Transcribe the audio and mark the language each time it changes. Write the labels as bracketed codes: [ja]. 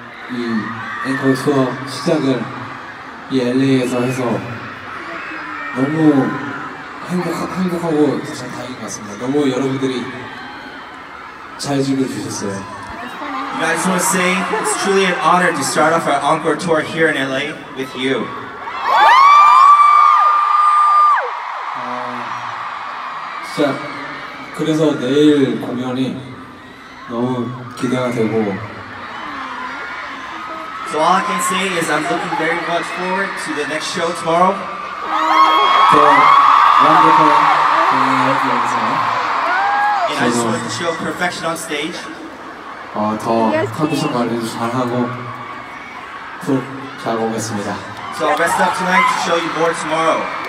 [ko] 이 앵콜 투어 시작을 이 LA에서 해서 너무 행복하고 진짜 다행인 것 같습니다. 너무 여러분들이 잘 즐겨주셨어요. [en] You guys want to say it's truly an honor to start off our encore tour here in LA with you. [ko] 진짜 그래서 내일 공연이 너무 기대가 되고 [en] So all I can say is I'm looking very much forward to the next show tomorrow. And I just want to show perfection on stage. [ko] 더 컨디션 관리 잘하고 풀 잘 오겠습니다. [en] So I'll rest up tonight to show you more tomorrow.